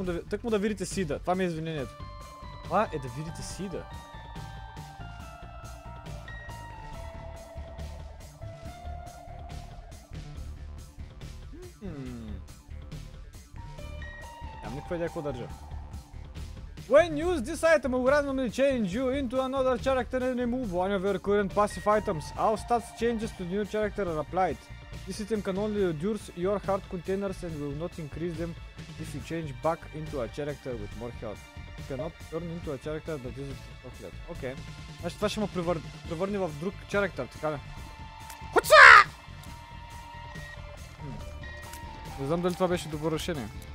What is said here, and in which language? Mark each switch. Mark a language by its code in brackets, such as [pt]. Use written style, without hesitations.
[bg] Так му да видите Сида, това ми е извинението. Това е да видите Сида. Нямам никаква идея какво държа. [en] When you use this item, I will randomly change you into another character and remove one of your current passive items. All stats changes to new character are applied. This item can only reduce your heart containers and will not increase them if you change back into a character with more health. You cannot turn into a character that is affected. Okay. [bg] Значи това ще ме превърни в друг character, така ли? Хуца! Не знам дали това беше добро решение.